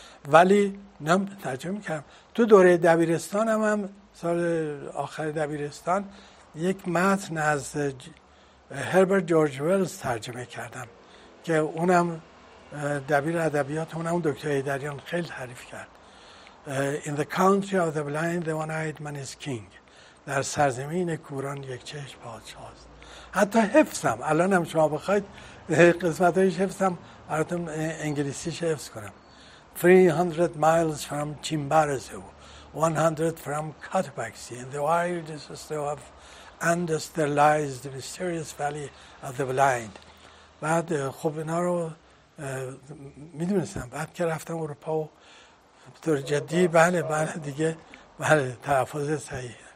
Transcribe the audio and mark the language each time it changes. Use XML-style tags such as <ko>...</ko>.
<fa>ولی نم ترجمه میکردم. تو دوره دبیرستان هم سال آخر دبیرستان یک متن از هربرت جورج ولز ترجمه کردم که اونم دبیر ادبیات اونم دکتر ایدریان خیلی تعریف کرد.</fa> <en>In the country of the blind the one-eyed man is king.</en> <fa>در سرزمین کوران یک چشم پادشاه است. حتی حفظم الان هم شما بخواید قسمت هایش حفظم، براتون انگلیسیش حفظ کنم.</fa> <en>300 miles from Chimborazo, 100 from Cotopaxi, in the wildest of Andes there lies the mysterious valley of the blind.</en> <fa>بعد خب اینا رو میدونستم. بعد که رفتم اروپا و به طور جدی بله بله دیگه بله تحفظ صحیح.</fa>